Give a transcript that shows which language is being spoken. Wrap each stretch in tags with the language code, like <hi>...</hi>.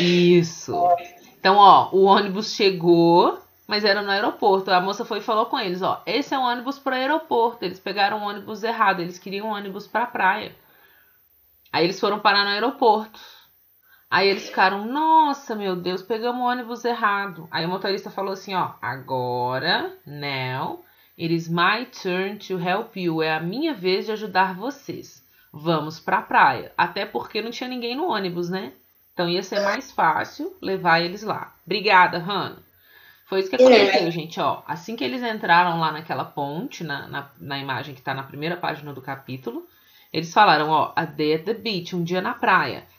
<pt>Isso. Então, ó, o ônibus chegou... Mas era no aeroporto. A moça foi e falou com eles, ó. Esse é um ônibus para o aeroporto. Eles pegaram um ônibus errado. Eles queriam um ônibus para a praia. Aí eles foram parar no aeroporto. Aí eles ficaram, nossa, meu Deus, pegamos um ônibus errado. Aí o motorista falou assim, ó. Agora,</pt> <en>now, it is my turn to help you.</en> <pt>É a minha vez de ajudar vocês. Vamos para a praia. Até porque não tinha ninguém no ônibus, né? Então ia ser mais fácil levar eles lá. Obrigada, Hannah. Foi isso que aconteceu, gente, ó. Assim que eles entraram lá naquela ponte, na imagem que tá na primeira página do capítulo, eles falaram, ó,</pt> <en>a day at the beach,</en> <pt>um dia na praia.</pt>